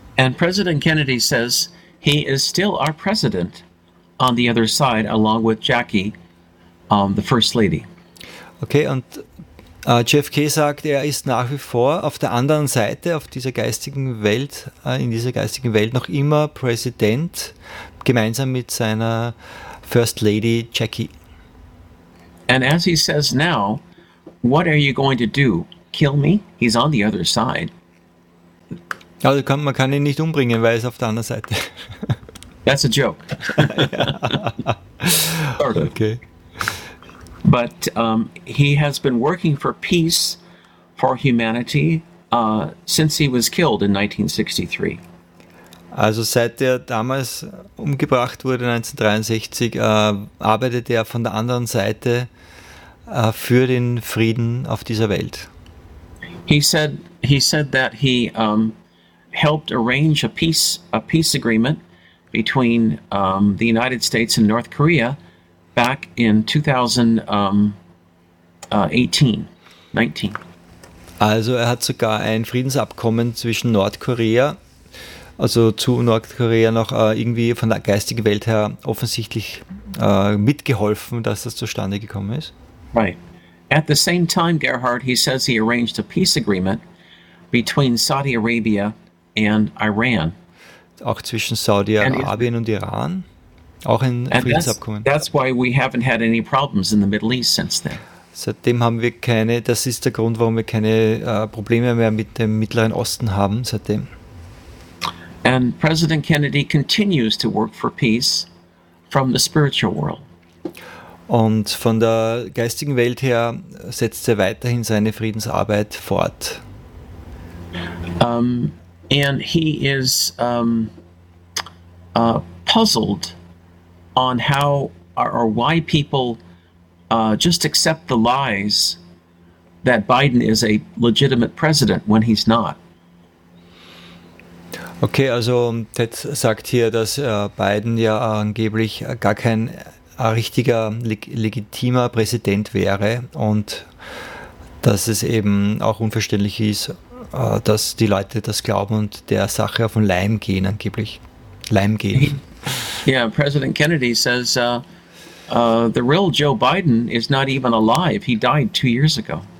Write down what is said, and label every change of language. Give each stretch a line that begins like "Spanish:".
English: And President Kennedy says he is still our president on the other side, along with Jackie, the First Lady.
German: Okay, und JFK sagt, er ist nach wie vor auf der anderen Seite, auf dieser geistigen Welt, in dieser geistigen Welt noch immer Präsident, gemeinsam mit seiner First Lady Jackie.
English: And as he says now, what are you going to do? Kill me? He's on the other side.
German: Also man kann ihn nicht umbringen, weil er ist auf der anderen Seite.
English: That's a joke. Sort of. Okay. But he has been working for peace for humanity since he was killed in 1963.
German: Also seit er damals umgebracht wurde 1963 arbeitet er von der anderen Seite für den Frieden auf dieser Welt.
English: He said that he helped arrange a peace agreement between the United States and North Korea back in 2019.
German: Also er hat sogar ein Friedensabkommen zwischen Nordkorea, also zu Nordkorea noch irgendwie von der geistigen Welt her offensichtlich mitgeholfen, dass das zustande gekommen ist.
English: Right. At the same time, Gerhard, he says he arranged a peace agreement between Saudi Arabia and Iran.
German: Auch zwischen Saudi-Arabien und Iran. Auch ein Friedensabkommen.
English: That's why we haven't had any problems in the Middle East since then.
German: Seitdem haben wir keine, das ist der Grund, warum wir keine Probleme mehr mit dem Mittleren Osten haben seitdem.
English: And President Kennedy continues to work for peace from the spiritual world.
German: Und von der geistigen Welt her setzt er weiterhin seine Friedensarbeit fort.
English: And he is puzzled on how or why people just accept the lies that Biden is a legitimate president when he's not.
German: Okay, also Ted sagt hier, dass Biden ja angeblich gar kein richtiger, legitimer Präsident wäre und dass es eben auch unverständlich ist, dass die Leute das glauben und der Sache auf den Leim gehen angeblich. Leim gehen.
English: Yeah, President Kennedy says the real Joe Biden is not even alive. He died 2 years ago.